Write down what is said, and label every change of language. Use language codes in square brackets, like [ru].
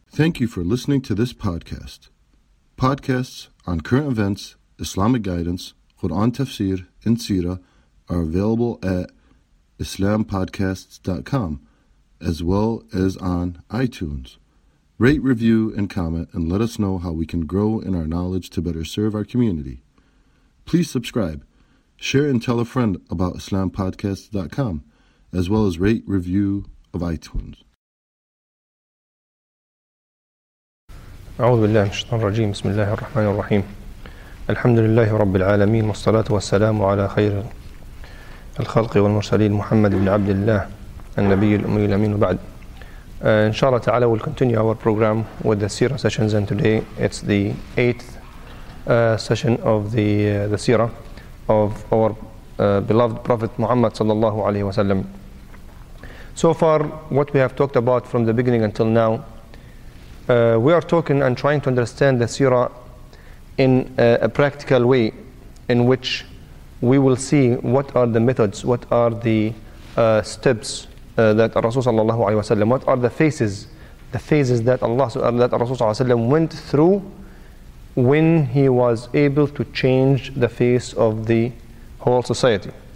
[en] Thank you for listening to this podcast. Podcasts on current events, Islamic guidance, Quran tafsir, and seerah are available at islampodcasts.com as well as on iTunes. Rate, review, and comment and let us know how we can grow in our knowledge to better serve our community. Please subscribe, share, and tell a friend about islampodcasts.com as well as rate, review of iTunes. [ar] أعوذ بالله من الشيطان الرجيم بسم الله الرحمن الرحيم الحمد لله رب العالمين والصلاة والسلام على خير الخلق والمرسلين محمد بن عبد الله النبي الأمي الأمين وبعد إن شاء الله تعالى [en] we'll continue our program with the seerah sessions and today it's the 8th session of the seerah of our beloved Prophet Muhammad [ar] صلى الله عليه وسلم. [en] So far what we have talked about from the beginning until now, we are talking and trying to understand the seerah in a practical way in which we will see what are the methods, what are the steps that Rasul sallallahu alayhi wa sallam, what are the phases that Rasul sallallahu alayhi wa sallam went through when he was able to change the face of the whole society.